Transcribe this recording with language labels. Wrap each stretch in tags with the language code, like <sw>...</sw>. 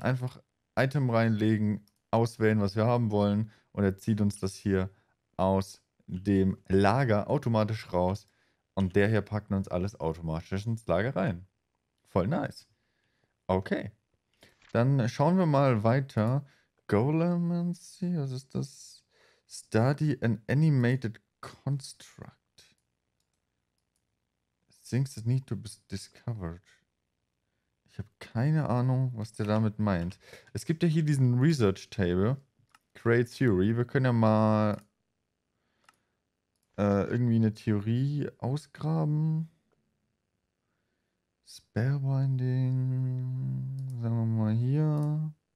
<de>Einfach Item reinlegen, auswählen, was wir haben wollen und er zieht uns das hier aus dem Lager automatisch raus und der hier packt uns alles automatisch ins Lager rein. Voll nice. Okay, dann schauen wir mal weiter. Golemancy, was ist das?</de> <en>Study an animated construct. Things that need to be discovered.</en> <de>Ich habe keine Ahnung, was der damit meint. Es gibt ja hier diesen Research Table. Create Theory. Wir können ja mal irgendwie eine Theorie ausgraben. Spellbinding. Sagen wir mal hier.</de>